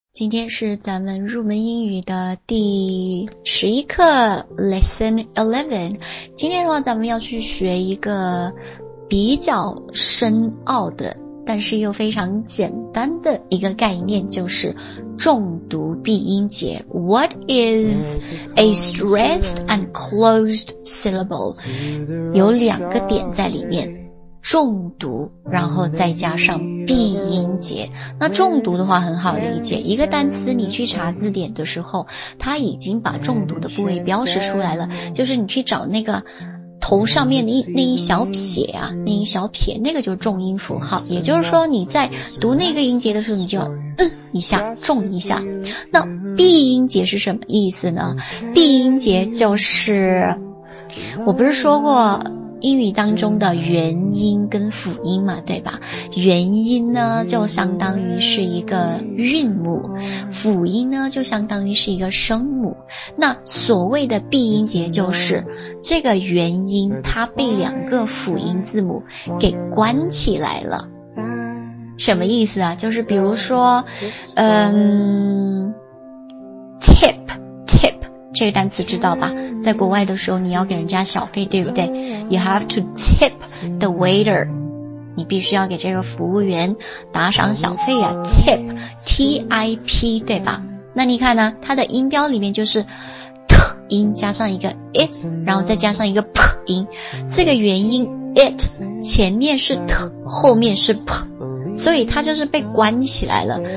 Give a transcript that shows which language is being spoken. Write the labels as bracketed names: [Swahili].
[Chinese] 今天是咱们入门英语的第十一课 Lesson 11。今天的话咱们要去学一个比较深奥的但是又非常简单的一个概念，就是重读闭音节。 [English] What is a stressed and closed syllable? [Chinese] 有两个点在里面，重读然后再加上闭音节。那重读的话很好理解，一个单词你去查字典的时候，它已经把重读的部位标识出来了，就是你去找那个头上面的那一小撇啊，那一小撇，那个就是重音符号。也就是说你在读那个音节的时候，你就要一下重一下。那闭音节是什么意思呢？闭音节就是，我不是说过英语当中的元音跟辅音嘛，对吧？元音呢就相当于是一个韵母，辅音呢就相当于是一个声母。那所谓的闭音节就是这个元音它被两个辅音字母给关起来了。什么意思啊？就是比如说tip 这个单词知道吧，在国外的时候你要给人家小费，对不对？ [English] You have to tip the waiter. [Chinese] 你必须要给这个服务员打赏小费啊。 Tip, T-I-P, 对吧？那你看呢，它的音标里面就是 t 音加上一个 it, 然后再加上一个 p 音。这个元音 it, 前面是 t, 后面是 p, 所以它就是被关起来了。